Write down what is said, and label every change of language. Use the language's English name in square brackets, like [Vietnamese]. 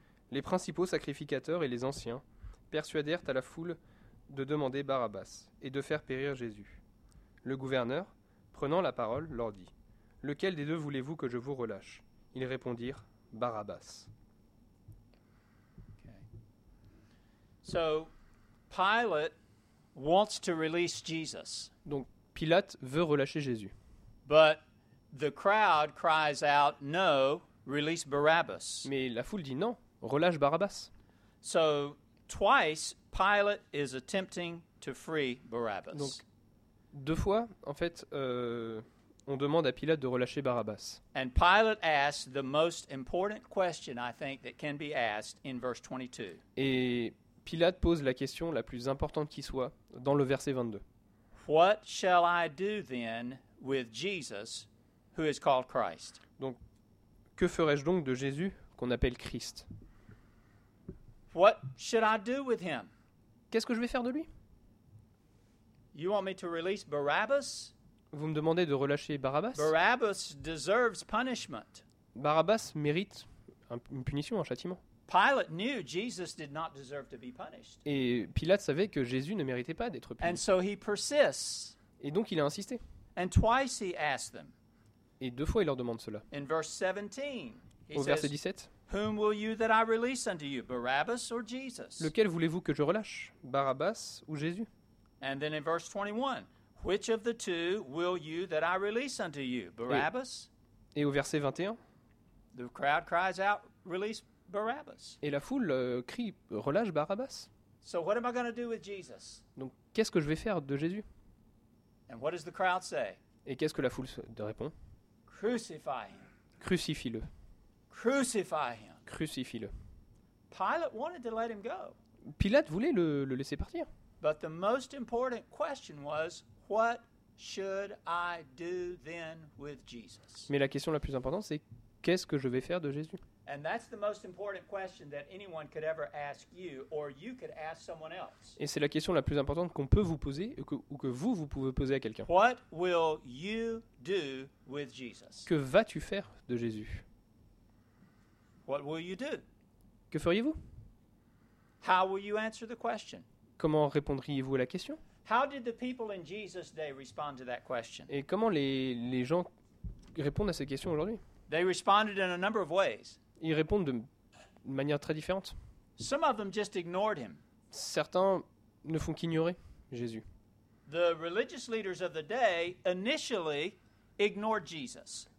[French] Les principaux sacrificateurs et les anciens persuadèrent à la foule de demander Barabbas et de faire périr Jésus. Le gouverneur, prenant la parole, leur dit, lequel des deux voulez-vous que je vous relâche? Ils répondirent, Barabbas. [English] Okay. So Pilate wants to release Jesus. [French] Donc Pilate veut relâcher Jésus. [English] But the crowd cries out, no, release Barabbas. [French] Mais la foule dit non, relâche Barabbas. [English] So twice Pilate is attempting to free Barabbas. [French] Donc deux fois en fait on demande à Pilate de relâcher Barabbas. [English] And Pilate asks the most important question I think that can be asked in verse 22. [French] Et Pilate pose la question la plus importante qui soit dans le verset 22. [English] What shall I do then with Jesus who is called Christ? [French] Donc que ferais-je donc de Jésus qu'on appelle Christ? [English] What should I do with him? [French] Qu'est-ce que je vais faire de lui? [English] You want me to release Barabbas? [French] Vous me demandez de relâcher Barabbas? [English] Barabbas deserves punishment. [French] Barabbas mérite une punition, un châtiment. [English] Pilate knew Jesus did not deserve to be punished. [French] Et Pilate savait que Jésus ne méritait pas d'être puni. [English] And so he persists. [French] Et donc il a insisté. [English] And twice he asked them. [French] Et deux fois il leur demande cela. [English] In verse 17, he au verset says, 17. Whom will you that I release unto you, Barabbas or Jesus? [French] Lequel voulez-vous que je relâche, Barabbas ou Jésus? [English] And then in verse 21, which of the two will you that I release unto you, Barabbas? [French] Et au verset 21, [English] the crowd cries out, release Barabbas. [French] Et la foule crie, relâche Barabbas. [English] So what am I going to do with Jesus? [French] Donc qu'est-ce que je vais faire de Jésus? [English] And what does the crowd say? [French] Et qu'est-ce que la foule répond? [English] Crucify him. [French] Crucifie-le. [English] Crucify him. [French] Crucifie-le. [English] Pilate wanted to let him go. [French] Pilate voulait le laisser partir. [English] But the most important question was, what should I do then with Jesus? [French] Mais la question la plus importante, c'est qu'est-ce que je vais faire de Jésus? [English] And that's the most important question that anyone could ever ask you, or you could ask someone else. [French] Et c'est la question la plus importante qu'on peut vous poser ou que vous pouvez poser à quelqu'un. [English] What will you do with Jesus? [French] Que vas-tu faire de Jésus? [English] What will you do? [French] Que feriez-vous? [English] How will you answer the question? [French] Comment répondriez-vous à la question? [English] How did the people in Jesus' day respond to that question? [French] Et comment les gens répondent à cette question aujourd'hui? [English] They responded in a number of ways. [French] Ils répondent de manière très différente. [English] Some of them just ignored him. [French] Certains ne font qu'ignorer Jésus. [English] The religious leaders of the day initially ignored Jesus.